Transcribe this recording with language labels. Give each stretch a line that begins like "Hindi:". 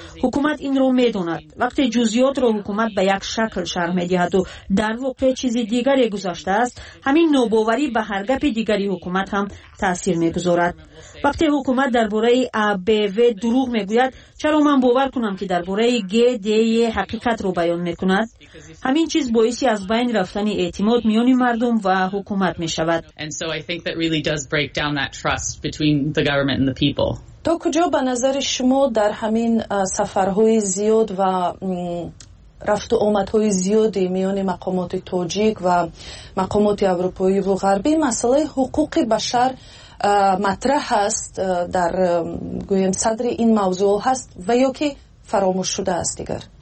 Persian: حکومت این را می داند. وقتی جزئیات را حکومت به یک شکل شرح می دهد و در واقع چیزی دیگری گذاشته است، همین نوباوری به هر گپ دیگری حکومت هم تأثیر می گذارد. وقتی حکومت درباره ABV دروغ می گوید، چرا من باور کنم که درباره GDE حقیقت را بیان می کند؟ همین چیز باعث از بین رفتن اعتماد میان مردم و حکومت می شود.
English: break down that trust between the government and the people.
Persian: تو کجا به نظر شما در همین سفرهای زیاد و رفت و آمدهای زیادی میان مقامات تاجیک و مقامات اروپایی و غربی مسئله حقوق بشر مطرح هست در گویم صدر این موضوع هست و یا که فراموش شده است دیگر؟